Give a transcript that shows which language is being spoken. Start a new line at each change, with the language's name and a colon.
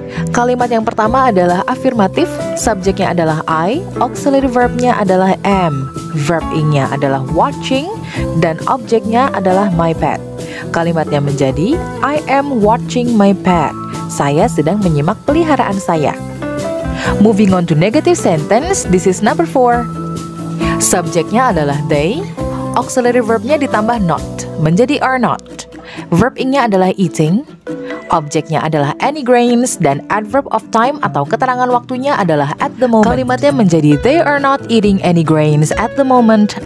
Indonesian: Kalimat yang pertama adalah afirmatif, subjeknya adalah I, auxiliary verbnya adalah am, verb ing-nya adalah watching, dan objeknya adalah my pet. Kalimatnya menjadi,
English: I am watching my pet.
Indonesian: Saya sedang menyimak peliharaan saya.
English: Moving on to negative sentence, this is number 4.
Indonesian: Subjeknya adalah they, auxiliary verbnya ditambah not, menjadi are not. Verb ing-nya adalah eating, Objeknya adalah any grains dan adverb of time atau keterangan waktunya adalah at the moment. Kalimatnya menjadi
English: they are not eating any grains at the moment.